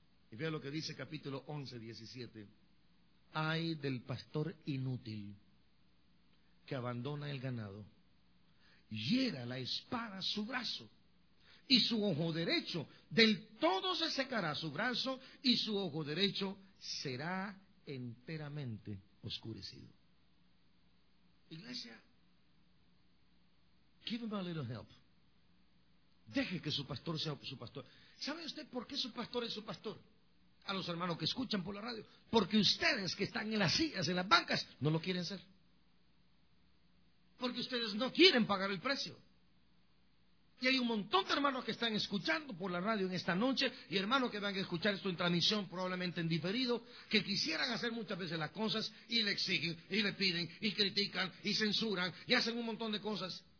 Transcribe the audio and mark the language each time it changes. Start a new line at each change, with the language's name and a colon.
Spanish: Y vea lo que dice capítulo 11, 17. Ay del pastor inútil que abandona el ganado, hiera la espada a su brazo, y su ojo derecho del todo se secará su brazo, y su ojo derecho será enteramente oscurecido.
English: Iglesia, give him a little help.
Spanish: Deje que su pastor sea su pastor. ¿Sabe usted por qué su pastor es su pastor? A los hermanos que escuchan por la radio. Porque ustedes que están en las sillas, en las bancas, no lo quieren ser. Porque ustedes no quieren pagar el precio. Y hay un montón de hermanos que están escuchando por la radio en esta noche, y hermanos que van a escuchar esto en transmisión, probablemente en diferido, que quisieran hacer muchas veces las cosas, y le exigen, y le piden, y critican, y censuran, y hacen un montón de cosas.